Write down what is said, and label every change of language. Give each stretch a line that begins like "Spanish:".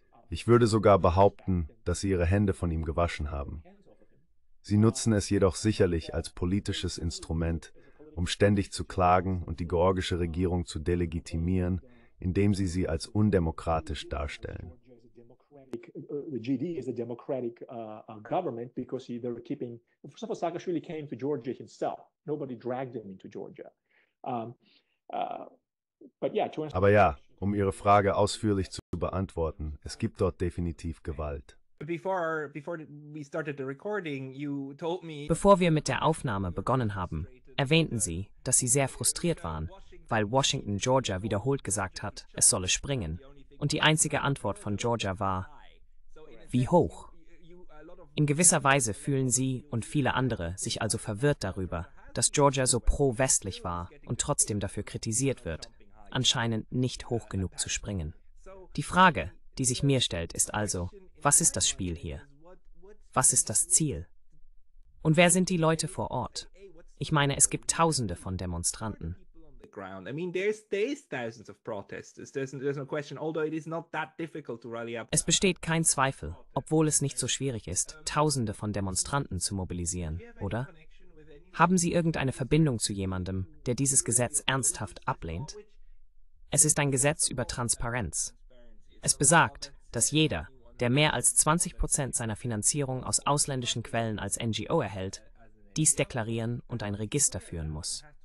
German: Ich würde sogar behaupten, dass sie ihre Hände von ihm gewaschen haben. Sie nutzen es jedoch sicherlich als politisches Instrument, um ständig zu klagen und die georgische Regierung zu delegitimieren, indem sie sie als undemokratisch darstellen.
English: The GD is a democratic government because they're keeping. First of all, Saakashvili came to Georgia himself. Nobody dragged him into Georgia.
German: Aber ja, um Ihre Frage ausführlich zu beantworten, es gibt dort definitiv Gewalt.
English: Before we started the recording, you told me.
German: Bevor wir mit der Aufnahme begonnen haben, erwähnten Sie, dass Sie sehr frustriert waren, weil Washington Georgia wiederholt gesagt hat, es solle springen. Und die einzige Antwort von Georgia war: Wie hoch? In gewisser Weise fühlen Sie und viele andere sich also verwirrt darüber, dass Georgia so pro-westlich war und trotzdem dafür kritisiert wird, anscheinend nicht hoch genug zu springen. Die Frage, die sich mir stellt, ist also: Was ist das Spiel hier? Was ist das Ziel? Und wer sind die Leute vor Ort? Ich meine, es gibt Tausende von Demonstranten.
English: Ground. I mean, there's thousands of protesters. There's no question, although it is not that difficult to rally up.
German: Es besteht kein Zweifel, obwohl es nicht so schwierig ist, Tausende von Demonstranten zu mobilisieren, oder? Haben Sie irgendeine Verbindung zu jemandem, der dieses Gesetz ernsthaft ablehnt? Es ist ein Gesetz über Transparenz. Es besagt, dass jeder, der mehr als 20% seiner Finanzierung aus ausländischen Quellen als NGO erhält, dies deklarieren und ein Register führen muss.